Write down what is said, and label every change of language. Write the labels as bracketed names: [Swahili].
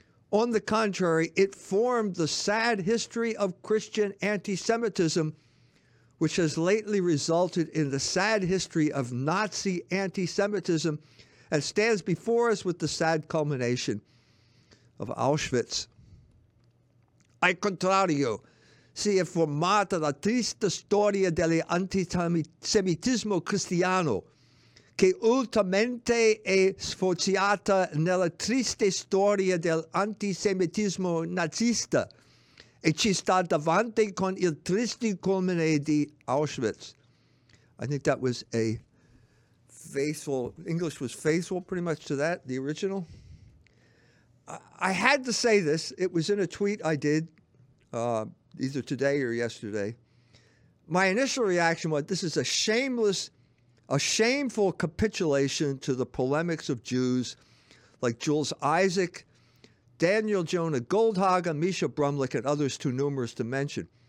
[English] On the contrary, it formed the sad history of Christian anti-Semitism, which has lately resulted in the sad history of Nazi anti-Semitism and stands before us with the sad culmination of Auschwitz. [Italian] Al contrario, si è formata la triste storia dell'antisemitismo cristiano, che ultimamente è sfociata nella triste storia dell'antisemitismo nazista, e ci sta davanti con il triste culmine di Auschwitz. [English] I think that was a faithful, English was faithful pretty much to that, the original. I had to say this. It was in a tweet I did either today or yesterday. My initial reaction was this is a shameful capitulation to the polemics of Jews like Jules Isaac, Daniel Jonah Goldhagen, Misha Brumlik, and others too numerous to mention.